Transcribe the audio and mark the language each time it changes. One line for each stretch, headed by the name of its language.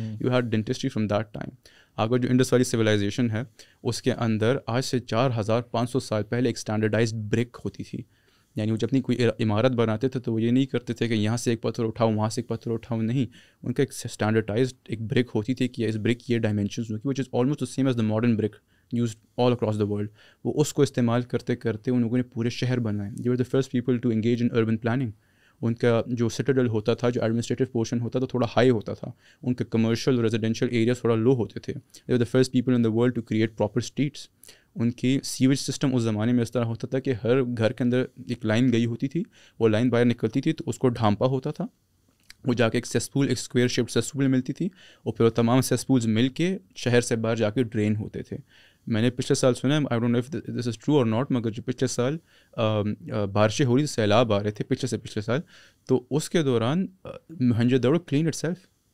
English: You had dentistry from that time.
Urdu: آگے جو Indus والی سویلائزیشن ہے اس کے اندر آج سے 4500 سال پہلے ایک اسٹینڈرڈائزڈ بریک ہوتی تھی، یعنی وہ جب نہیں کوئی عمارت بناتے تھے تو وہ یہ نہیں کرتے تھے کہ یہاں سے ایک پتھر اٹھاؤ وہاں سے ایک پتھر اٹھاؤ، نہیں، ان کا ایک اسٹینڈرڈائزڈ ایک بریک ہوتی تھی کہ اس بریک کی یہ ڈائمینشنز ہوں گی،
English: Which is almost same as the modern brick use all across the world.
Urdu: وہ اس کو استعمال کرتے کرتے ان لوگوں نے پورے شہر بنائے.
English: They are the first people to engage in urban planning.
Urdu: ان کا جو سٹیڈل ہوتا تھا، جو ایڈمنسٹریٹو پورشن ہوتا تھا، تھوڑا ہائی ہوتا تھا، ان کے کمرشل ریزیڈینشیل ایریاز تھوڑا لو ہوتے تھے.
English: They are the first people in the world to create proper streets.
Urdu: ان کی سیویج سسٹم اس زمانے میں اس طرح ہوتا تھا کہ ہر گھر کے اندر ایک لائن گئی ہوتی تھی، وہ لائن باہر نکلتی تھی تو اس کو ڈھانپا ہوتا تھا، وہ جا کے ایک سیسپول، ایک اسکوئر شیپڈ سیسپول ملتی تھی، اور پھر وہ تمام سیسپولز مل کے شہر سے باہر جا کے ڈرین ہوتے تھے. میں نے پچھلے سال سنا ہے،
English: I don't know if this is true or not,
Urdu: مگر جو پچھلے سال بارشیں ہو رہی تھیں، سیلاب آ رہے تھے پچھلے سال، تو اس کے دوران Mohenjo Daro
English: Clean itself.